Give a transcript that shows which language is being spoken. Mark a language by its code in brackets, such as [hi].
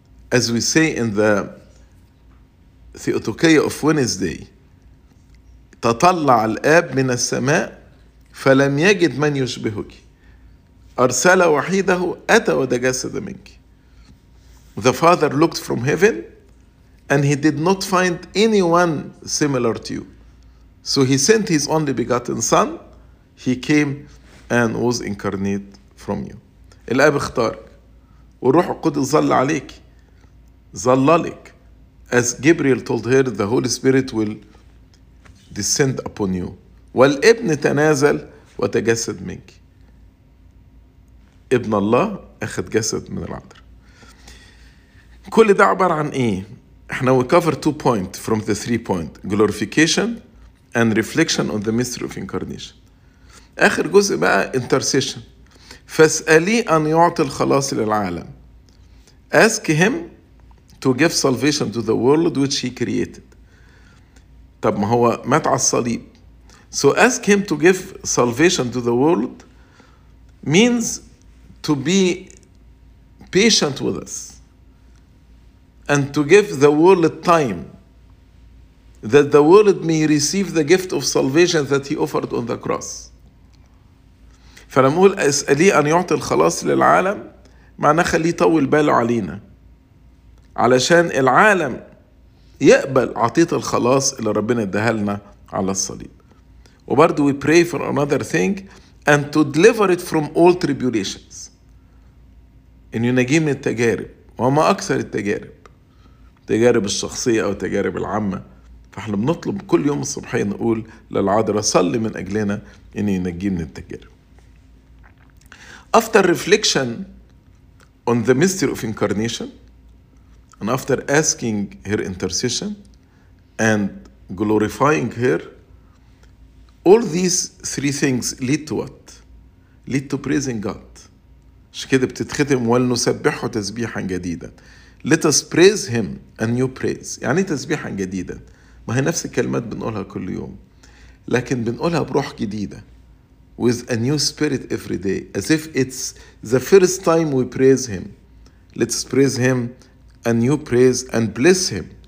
[en] As we say in the Theotokia of Wednesday، [ar] تطلع الآب من السماء فلم يجد من يشبهك، أرسل وحيده أتى وتجسد منك. [en] The father looked from heaven and he did not find anyone similar to you. So he sent his only begotten son. He came and was incarnate from you. [ar] الآب اختارك والروح القدس ظل عليك، ظللك. [en] As Gabriel told her, the Holy Spirit will descend upon you. [ar] والابن تنازل وتجسد منك. ابن الله أخذ جسد من العذراء. كل ده عبارة عن إيه؟ إحنا [en] we cover two points from the three points: glorification and reflection on the mystery of incarnation. [ar] آخر جزء بقى intercession. فاسألي أن يعطي الخلاص للعالم. [en] Ask him to give salvation to the world which he created. [ar] طب ما هو مات على الصليب. [en] So ask him to give salvation to the world means to be patient with us. And to give the world time that the world may receive the gift of salvation that he offered on the cross. [ar] فلما أقول أسألي أن يعطي الخلاص للعالم معناه خليه يطول باله علينا علشان العالم يقبل عطيت الخلاص اللي ربنا ادهلنا على الصليب. [en] وبرضو we pray for another thing and to deliver it from all tribulations. [ar] إنه ينجي من التجارب. وما أكثر التجارب، تجارب الشخصية أو تجارب العامة. فاحنا بنطلب كل يوم الصبحية نقول للعذراء صلي من أجلنا إن ينجي من التجارب. [en] After reflection on the mystery of incarnation and after asking her intercession and glorifying her, all these three things lead to what? Lead to praising God. [ar] مش كده بتتختم ولنسبحه تسبيحا جديدا. [en] Let us praise him a new praise. [ar] يعني تسبيحا جديدا. ما هي نفس الكلمات بنقولها كل يوم. لكن بنقولها بروح جديدة. [en] With a new spirit every day. As if it's the first time we praise him. Let us praise him a new praise and bless him.